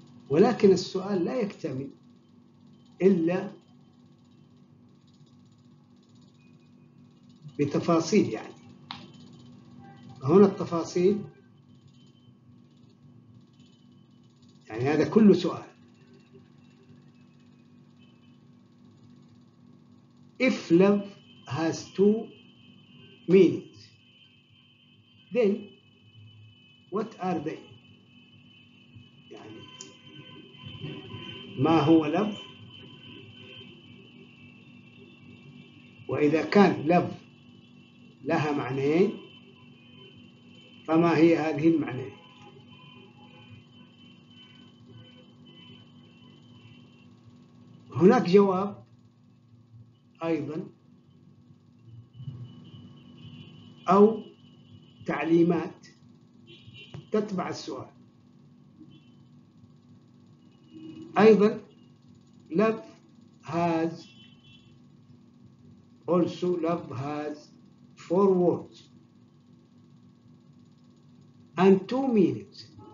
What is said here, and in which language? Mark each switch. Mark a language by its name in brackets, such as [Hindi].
[Arabic] ولكن السؤال لا يكتمل إلا بتفاصيل، يعني هنا التفاصيل، يعني هذا كل سؤال. [English] If love has two meanings, then what are they؟ [Arabic] يعني ما هو [English] love [Arabic] وإذا كان لف لها معنيين فما هي هذه المعنيين؟ هناك جواب أيضا أو تعليمات تتبع السؤال. أيضا [English] love has also love has four words and two meanings.